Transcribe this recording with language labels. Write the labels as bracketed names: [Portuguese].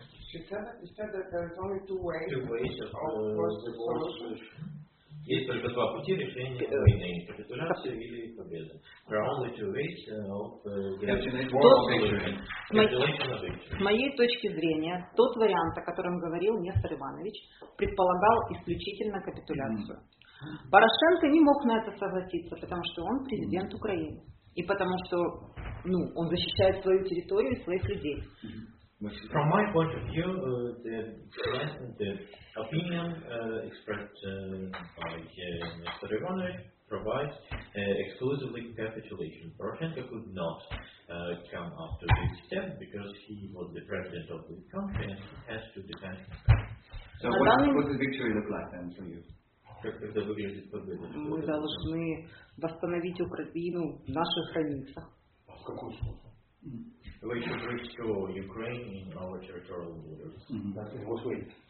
[English] She said that there is only two ways of the solution. [Russian] Есть только два пути решения войны: капитуляция или победа. [English] There are only two ways [Russian] С моей точки зрения, тот вариант, о котором говорил Нестор Иванович, предполагал исключительно капитуляцию. Порошенко не мог на это согласиться, потому что он президент Украины. И потому что, ну, он защищает свою территорию и своих людей. [English] From my point of view, the opinion expressed by Mr. Ivanov provides exclusively capitulation. Porochenko could not come up to this step because he was the president of the country and he has to defend the country. So what does victory look like then for you? [Russian] Мы должны восстановить Украину в наших границах. [English] We should restore Ukraine in our territorial borders.